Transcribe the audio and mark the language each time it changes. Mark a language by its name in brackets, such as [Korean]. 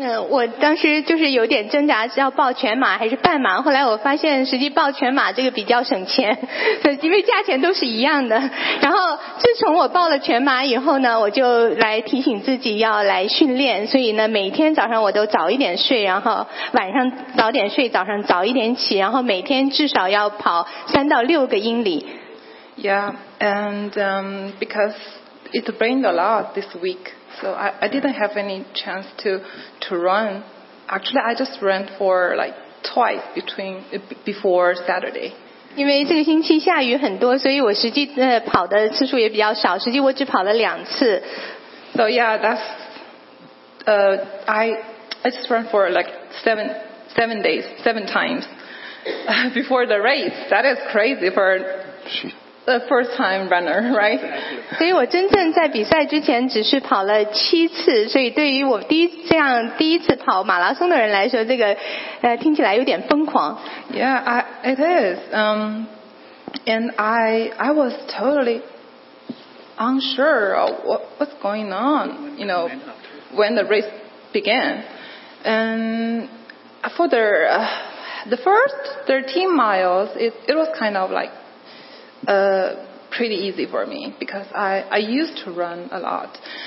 [Chinese] 我当时就是有点挣扎要报全马还是半马，后来我发现实际报全马这个比较省钱，因为价钱都是一样的。然后自从我报了全马以后呢，我就来提醒自己要来训练，所以呢每天早上我都早一点睡，然后晚上早点睡，早上早一点起，然后每天至少要跑3到6个英里。 [English] Yeah, and because it rained a lot this weekSo I didn't have any chance to run. Actually, I just ran for like twice before Saturday. [Chinese] 因为这个星期下雨很多，所以我实际跑的次数也比较少。实际我只跑了两次。 [English] So yeah, that's I just ran for like seven times before the race. That is crazy for the first time runner, right? [Chinese] 所以我真正在比赛之前只是跑了7次，所以对于我第一次跑马拉松的人来说，这个听起来有点疯狂。 [English] Yeah, it is. And I was totally unsure of what's going on, you know, when the race began. And for the first 13 miles, it was kind of like,pretty easy for me because I used to run a lot.